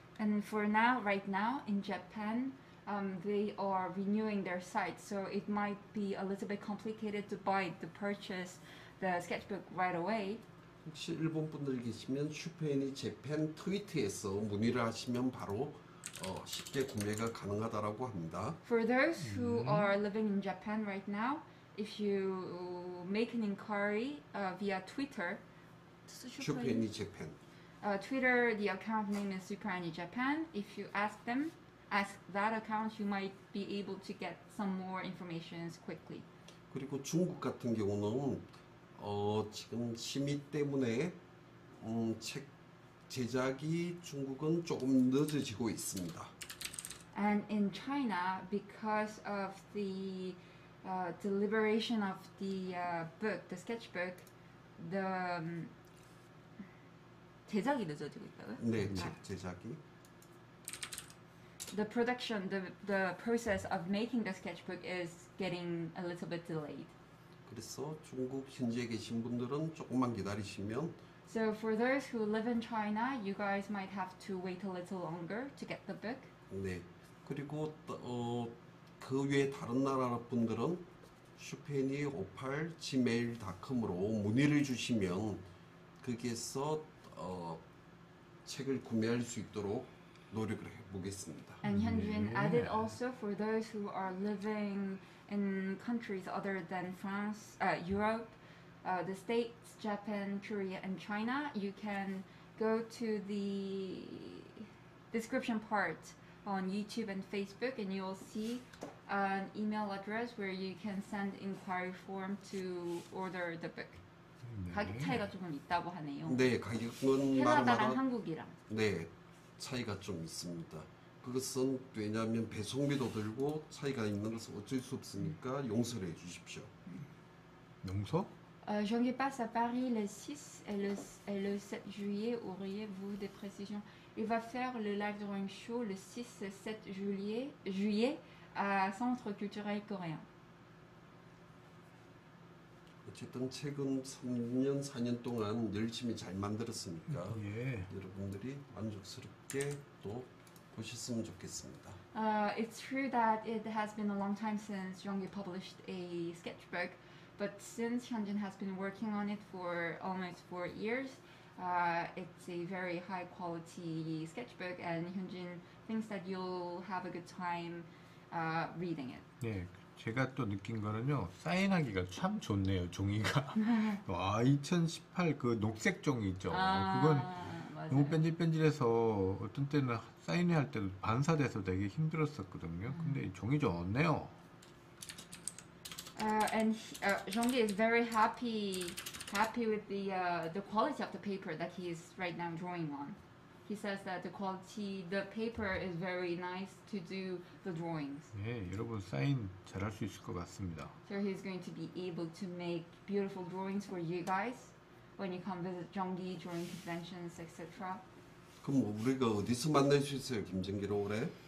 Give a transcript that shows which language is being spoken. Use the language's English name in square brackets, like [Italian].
[English] And for now, right now in Japan, they are renewing their site, so it might be a little bit complicated to buy to purchase the sketchbook right away. [Korean] 혹시 일본 분들 계시면 슈페인이 재팬 트위터에서 문의를 하시면 바로 쉽게 구매가 가능하다라고 합니다. [English] For those who are living in Japan right now. If you make an inquiry via Twitter, Superani Japan. Twitter, the account name is Superani Japan. If you ask them, ask that account, you might be able to get some more information quickly. [Korean] 그리고 중국 같은 경우는 지금 심의 때문에 책 제작이 중국은 조금 늦어지고 있습니다. [English] And in China, because of the deliberation of the book, the sketchbook, the [Korean] 제작이 늦어지고 있다고요? 네, 제작이. [English] The production, the process of making the sketchbook is getting a little bit delayed. [Korean] 그래서 중국 현지에 계신 분들은 조금만 기다리시면. [English] So for those who live in China, you guys might have to wait a little longer to get the book. [Korean] 네, 그리고 그 외에 다른 나라 분들은 슈페니58@gmail.com으로 문의를 주시면 거기에서 책을 구매할 수 있도록 노력을 해보겠습니다. [English] And Hyunjin added also for those who are living in countries other than France, Europe, the States, Japan, Korea, and China, you can go to the description part on YouTube and Facebook, and you'll see an email address where you can send inquiry form to order the book. [Korean] 네. 가격 차이가 조금 있다고 하네요. 네, 가격은 캐나다랑 한국이랑 네 차이가 좀 있습니다. 그것은 왜냐하면 배송비도 들고 차이가 있는 것은 어쩔 수 없으니까 용서를 해주십시오. 용서? [French] Jean-Guy passe à Paris le 6 et le 7 juillet. Auriez-vous des précisions? Il va faire le live drawing show le 6 et 7 juillet à Centre culturel coréen. [Korean] 어쨌든 책은 3년, 4년 동안 열심히 잘 만들었으니까 예. 여러분들이 만족스럽게 또 보셨으면 좋겠습니다. [English] It's true that it has been a long time since Yonggi published a sketchbook, but since Hyunjin has been working on it for almost 4 years, it's a very high quality sketchbook, and Hyunjin thinks that you'll have a good time reading it. [Korean] 네, 제가 또 느낀 거는요, 사인하기가 참 좋네요, 종이가. 와, 2018 그 녹색 종이 있죠. 그건 맞아요. 너무 뺀질뺀질해서 어떤 때는 사인회 할 때도 반사돼서 되게 힘들었었거든요. 근데 종이 좀 없네요. [English] And Zhongyi is very happy with the quality of the paper that he is right now drawing on. He says that the quality, the paper is very nice to do the drawings. [Korean] 네, 여러분 사인 잘할 수 있을 것 같습니다. [English] So he is going to be able to make beautiful drawings for you guys when you come visit Zhongyi during conventions, etc. [Korean] 그럼 우리가 어디서 만날 수 있어요, 김정기로 올해?